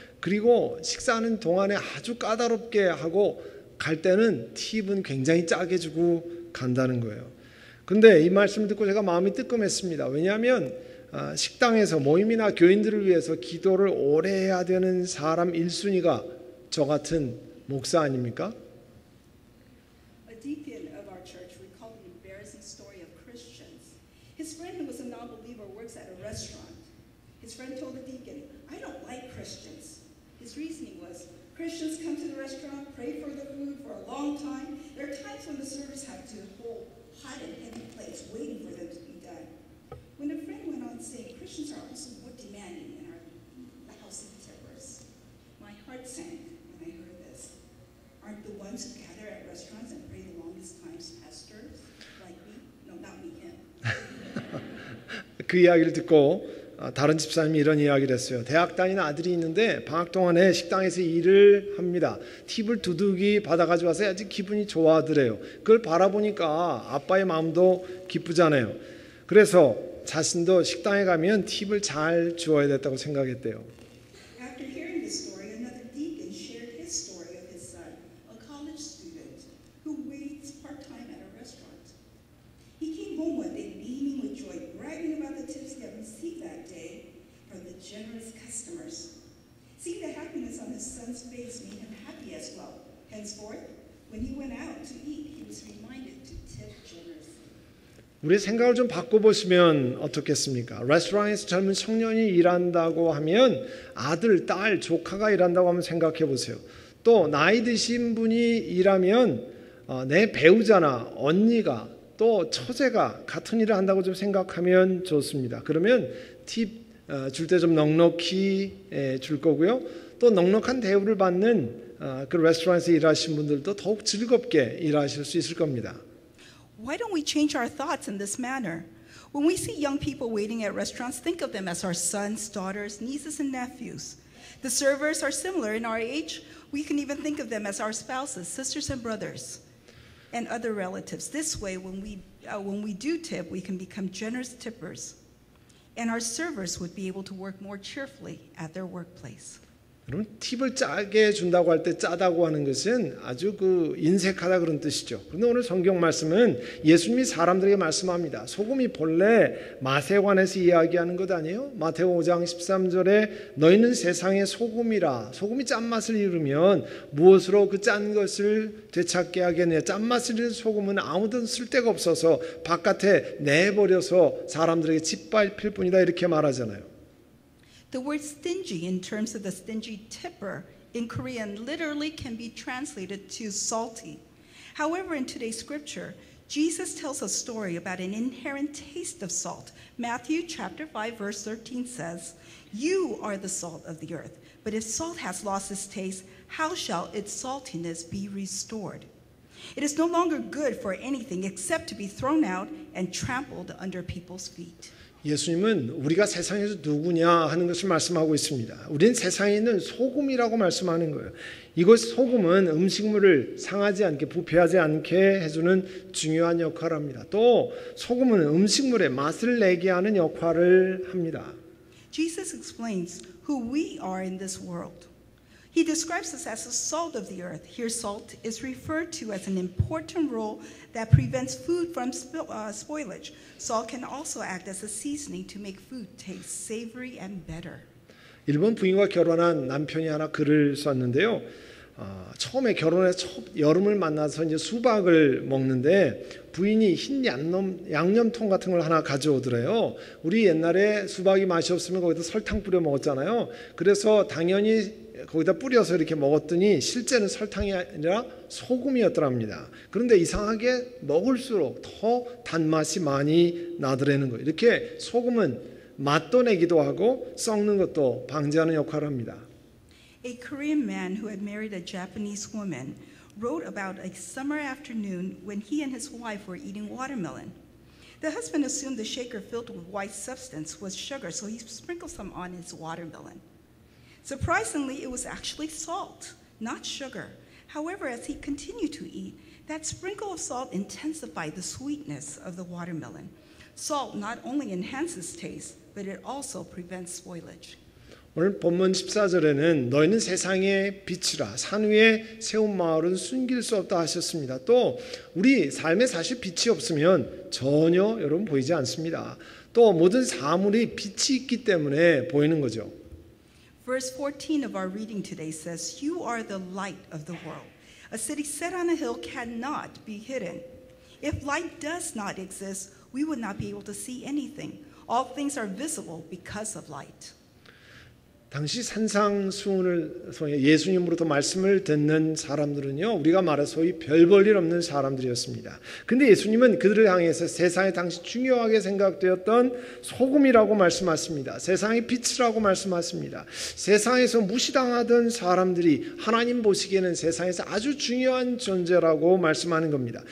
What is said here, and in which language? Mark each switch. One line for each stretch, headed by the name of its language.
Korean: 그리고 식사하는 동안에 아주 까다롭게 하고 갈 때는 팁은 굉장히 짜게 주고 간다는 거예요. 근데 이 말씀을 듣고 제가 마음이 뜨끔했습니다. 왜냐하면 식당에서 모임이나 교인들을 위해서 기도를 오래 해야 되는 사람 1순위가 저 같은 목사 아닙니까?
English: A deacon of our church recalled an embarrassing story of Christians. His friend, who was a non-believer, works at a restaurant. His friend told the deacon, I don't like Christians. His reasoning was, Christians come to the restaurant, pray for the food for a long time. There are times when the servers have to hold hot and heavy plates waiting for them to be done. When a friend went on saying, Christians are also more demanding than our house tippers. My heart sank when I heard this. Aren't the ones who gather at restaurants and pray the longest times pastors? Like me? No, not me, him.
Korean: 그 이야기를 듣고 다른 집사님이 이런 이야기를 했어요. 대학 다니는 아들이 있는데 방학 동안에 식당에서 일을 합니다. 팁을 두둑이 받아가지고 와서 아주 기분이 좋아하더래요. 그걸 바라보니까 아빠의 마음도 기쁘잖아요. 그래서 자신도 식당에 가면 팁을 잘 주어야 됐다고 생각했대요.
English: After hearing this story, another deacon shared his story of his son, a college student who waits part-time at a restaurant. He came home one day beaming with joy, bragging about the tips he had received that day from the generous customers. Seeing the happiness on his son's face made him happy as well. Henceforth, when he went out to eat, he was reminded to tip generously.
Korean: 우리 생각을 좀 바꿔보시면 어떻겠습니까? 레스토랑에서 젊은 청년이 일한다고 하면 아들, 딸, 조카가 일한다고 하면 생각해보세요. 또 나이 드신 분이 일하면 내 배우자나 언니가 또 처제가 같은 일을 한다고 좀 생각하면 좋습니다. 그러면 팁 줄 때 좀 넉넉히 줄 거고요. 또 넉넉한 대우를 받는 그 레스토랑에서 일하신 분들도 더욱 즐겁게 일하실 수 있을 겁니다.
English: Why don't we change our thoughts in this manner? When we see young people waiting at restaurants, think of them as our sons, daughters, nieces, and nephews. The servers are similar in our age. We can even think of them as our spouses, sisters, and brothers. And other relatives. This way, when we do tip, we can become generous tippers, and our servers would be able to work more cheerfully at their workplace.
Korean: 그럼 팁을 짜게 준다고 할 때 짜다고 하는 것은 아주 그 인색하다 그런 뜻이죠. 그런데 오늘 성경 말씀은 예수님이 사람들에게 말씀합니다. 소금이 본래 맛에 관해서 이야기하는 것 아니에요? 마태복음 5장 13절에 너희는 세상의 소금이라 소금이 짠맛을 잃으면 무엇으로 그 짠 것을 되찾게 하겠느냐. 짠맛을 잃은 소금은 아무도 쓸 데가 없어서 바깥에 내버려서 사람들에게 짓밟힐 뿐이다 이렇게 말하잖아요.
English: The word stingy in terms of the stingy tipper in Korean literally can be translated to salty. However, in today's scripture, Jesus tells a story about an inherent taste of salt. Matthew chapter 5 verse 13 says, You are the salt of the earth, but if salt has lost its taste, how shall its saltiness be restored? It is no longer good for anything except to be thrown out and trampled under people's feet.
Korean: 예수님은 우리가 세상에서 누구냐 하는 것을 말씀하고 있습니다. 우리는 세상에 있는 소금이라고 말씀하는 거예요. 이것 소금은 음식물을 상하지 않게 부패하지 않게 해주는 중요한 역할을 합니다. 또 소금은 음식물에 맛을 내게 하는 역할을 합니다.
English: Jesus explains who we are in this world. He describes us as the salt of the earth. Here salt is referred to as an important role that prevents food from spoilage. Salt can also act as a seasoning to make food taste savory and better.
Korean: 일본 부인과 결혼한 남편이 하나 글을 썼는데요. 처음에 결혼해서 첫 여름을 만나서 이제 수박을 먹는데 부인이 흰 양념통 같은 걸 하나 가져오더래요. 우리 옛날에 수박이 맛이 없으면 거기다 설탕 뿌려 먹었잖아요. 그래서 당연히 거기다 뿌려서 이렇게 먹었더니 실제는 설탕이 아니라 소금이었더랍니다. 그런데 이상하게 먹을수록 더 단맛이 많이 나더라는 거예요. 이렇게 소금은 맛도 내기도 하고 썩는 것도 방지하는 역할을 합니다.
English: A Korean man who had married a Japanese woman wrote about a summer afternoon when he and his wife were eating watermelon. The husband assumed the shaker filled with white substance was sugar, so he sprinkled some on his watermelon. Surprisingly, it was actually salt, not sugar. However, as he continued to eat, that sprinkle of salt intensified the sweetness of the watermelon. Salt not only enhances taste, but it also prevents spoilage.
Korean: 오늘 본문 14절에는 너희는 세상의 빛이라 산 위에 세운 마을은 숨길 수 없다 하셨습니다. 또 우리 삶에 사실 빛이 없으면 전혀 여러분 보이지 않습니다. 또 모든 사물이 빛이 있기 때문에 보이는 거죠.
English: Verse 14 of our reading today says, "You are the light of the world. A city set on a hill cannot be hidden. If light does not exist, we would not be able to see anything. All things are visible because of light."
Korean: 당시 산상수훈을 통해 예수님으로부터 말씀을 듣는 사람들은요, 우리가 말해 소위 별 볼 일 없는 사람들이었습니다. 근데 예수님은 그들을 향해서 세상에 당시 중요하게 생각되었던 소금이라고 말씀하십니다. 세상의 빛이라고 말씀하십니다. 세상에서 무시당하던 사람들이 하나님 보시기에는 세상에서 아주 중요한 존재라고 말씀하는 겁니다.